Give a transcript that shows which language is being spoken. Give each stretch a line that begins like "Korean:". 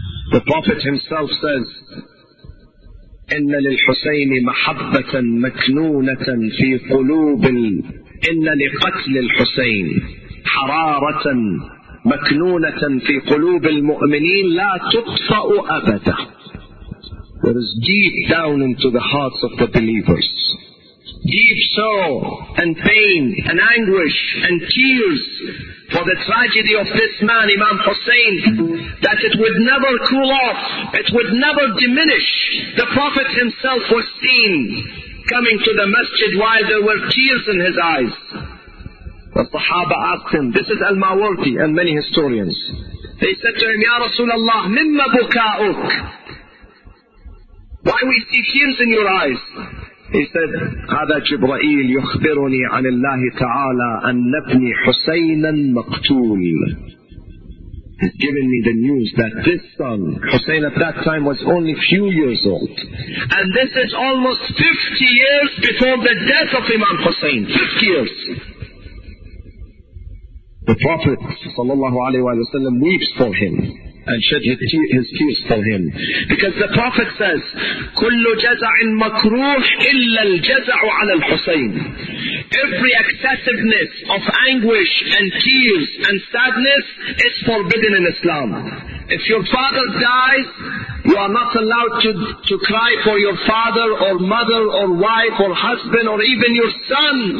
English: The Prophet himself says,
Arabic: إِنَّ لِلْحُسَيْنِ مَحَبَّةً مَكْنُونَةً فِي قُلُوبِ إِنَّ لِقَتْلِ الْحُسَيْنِ حَرَارَةً مَكْنُونَةً فِي قُلُوبِ الْمُؤْمِنِينَ لَا تُطْفَأُ أَبَدًا.
English: There is deep down into the hearts of the believers, deep sorrow and pain and anguish and tears for the tragedy of this man, Imam Hussein, that it would never cool off, it would never diminish. The Prophet himself was seen coming to the masjid while there were tears in his eyes. The Sahaba asked him, this is Al-Mawardi and many historians. They said to him, Ya Rasulullah,
Arabic: mimma buka'uk?
English: Why we see tears in your eyes? He said,
Arabic: هذا جبرائيل يخبرني عن الله تعالى أن نبني حسينا مقتول.
English: He's given me the news that this son, Hussein at that time was only few years old. And this is almost 50 years before the death of Imam Hussein. 50 years. The Prophet sallallahu alayhi wa sallam weeps for him and shed his tears for him. Because the Prophet says,
Arabic: كُلُّ جَزَعٍ مَكْرُوحٍ إِلَّا الْجَزَعُ عَلَى الْحُسَيْنِ.
English: Every excessiveness of anguish and tears and sadness is forbidden in Islam. If your father dies, you are not allowed to cry for your father or mother or wife or husband or even your son.